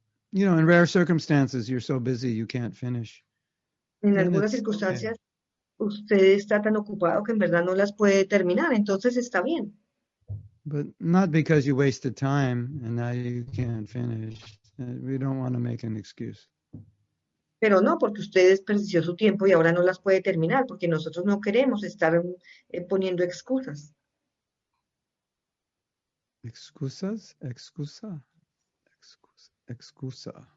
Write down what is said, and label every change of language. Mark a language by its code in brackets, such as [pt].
[en] You know, in rare circumstances, you're so busy you can't finish. [es] En algunas circunstancias, usted está tan ocupado que en verdad no las puede terminar, entonces está bien. [en] But not because you wasted time and now you can't finish. We don't want to make an excuse. [es] Pero no, porque usted desperdició su tiempo y ahora no las puede terminar, porque nosotros no queremos estar poniendo excusas. ¿Excusas? ¿Excusa? Excusa.